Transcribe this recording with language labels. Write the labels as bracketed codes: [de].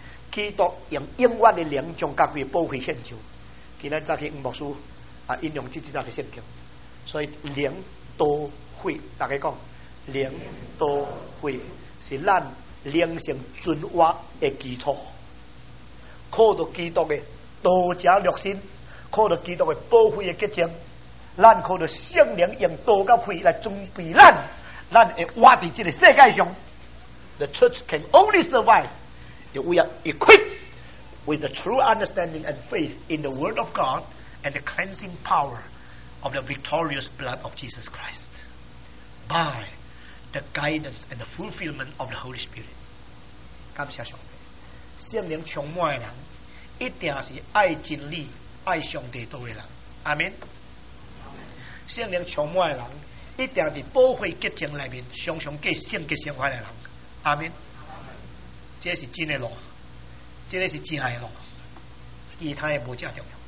[nan] 基督用永远的灵将家己保回献上。今日早起吴牧师啊引用这段的圣经，所以灵都会，大家讲灵都会是咱灵性存活的基础。靠着基督的道者热心，靠着基督的宝血的洁净，咱靠着圣灵用道甲血来准备咱，咱会活在这个世界上。 [en] The church can only survive if we are equipped with the true understanding and faith in the Word of God and the cleansing power of the victorious blood of Jesus Christ by the guidance and the fulfillment of the Holy Spirit. [nan] 感谢上帝。圣灵充满的人，一定是爱真理、爱上帝道的人。阿门。圣灵充满的人，一定是宝血洁净里面常常过圣洁生活的人。阿门。这是真的路，这个是真爱的路，其他的无正重要。